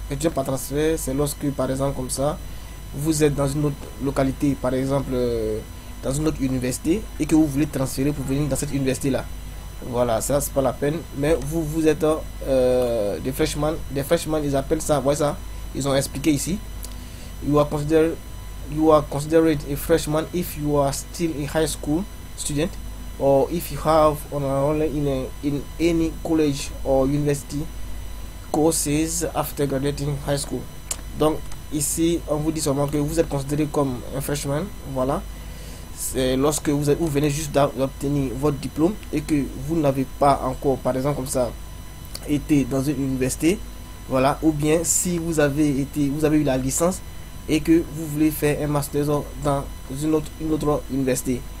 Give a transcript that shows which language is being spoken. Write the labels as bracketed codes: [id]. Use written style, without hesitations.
[fr] Étudiant par transfert, c'est lorsque, par exemple, comme ça, vous êtes dans une autre localité, par exemple. Dans une autre université et que vous voulez transférer pour venir dans cette université-là. Voilà, ça c'est pas la peine. Mais vous, vous êtes des freshmen. Des freshmen, ils appellent ça, voyez ça. Ils ont expliqué ici. [en] You are considered a freshman if you are still a high school student or if you have enrolled in any college or university courses after graduating high school. [fr] Donc ici, on vous dit seulement que vous êtes considéré comme un freshman. Voilà. C'est lorsque vous venez juste d'obtenir votre diplôme et que vous n'avez pas encore, par exemple comme ça, été dans une université, voilà, ou bien si vous avez eu la licence et que vous voulez faire un master dans une autre université.